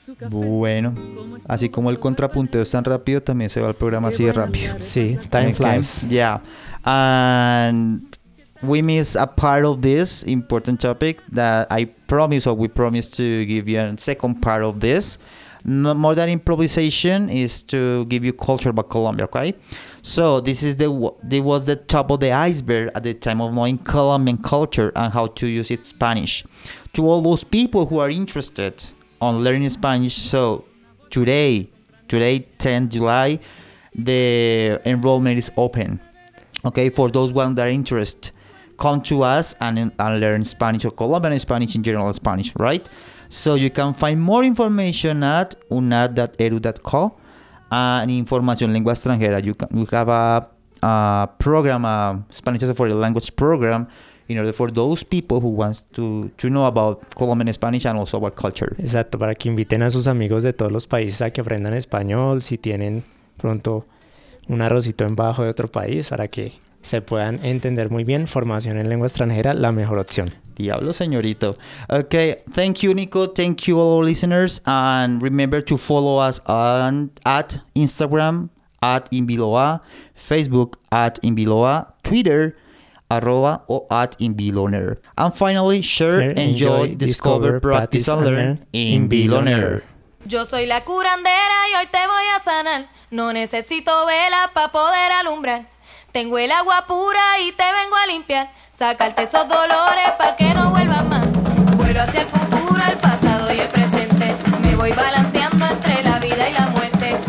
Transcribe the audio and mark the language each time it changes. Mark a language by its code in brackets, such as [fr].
[es] Bueno, así como el contrapunteo es tan rápido, también se va el programa así de rápido. [en] Sí, time flies. Okay. Yeah. And we miss a part of this important topic that we promise to give you a second part of this. More than improvisation is to give you culture about Colombia, okay? So this is was the top of the iceberg at the time of knowing Colombian culture and how to use it Spanish. To all those people who are interested on learning Spanish, so today, 10 July, the enrollment is open. Okay, for those ones that are interested, come to us and learn Spanish or Colombian Spanish in general Spanish, right? So you can find more information at unad.edu.co and [es] información lengua extranjera. [en] We have a program, Spanish as a Foreign Language program, in order for those people who want to know about Colombian Spanish and also our culture. [es] Exacto, para que inviten a sus amigos de todos los países a que aprendan español, si tienen pronto un arrocito en bajo de otro país, para que se puedan entender muy bien, formación en lengua extranjera, la mejor opción. Diablo, señorito. [en] Okay, thank you, Nico. Thank you, all our listeners. And remember to follow us at Instagram, @InVilloA, Facebook @InVilloA, Twitter @InVilloNer. And finally, share, enjoy, discover, practice and learn InVilloNer. [es] Yo soy la curandera y hoy te voy a sanar. No necesito vela para poder alumbrar. Tengo el agua pura y te vengo a limpiar. Sacarte esos dolores pa' que no vuelvan más. Vuelo hacia el futuro, el pasado y el presente. Me voy balanceando entre la vida y la muerte.